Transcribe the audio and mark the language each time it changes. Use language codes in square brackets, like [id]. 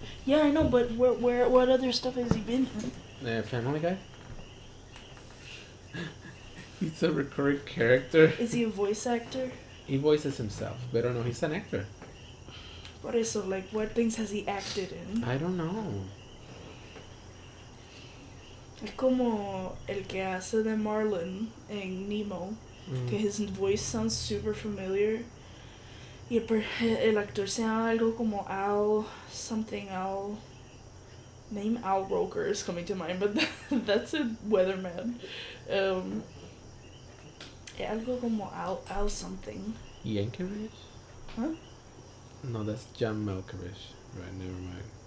[en] Yeah, I know, but where what other stuff has he been in? Family Guy? He's a recurring character. Is he a voice actor? He voices himself. But I don't know, he's an actor. What is so, like, what things has he acted in? I don't know. [es] Es como el que hace de Marlin en Nemo, que [en] his voice sounds super familiar. [es] Y el actor se llama algo como Al something Al. [en] Name Al Roker is coming to mind, but that's a weatherman. [es] Algo como Al something. [en] Yankovic? Huh? No, that's John Malkovich. Right, never mind.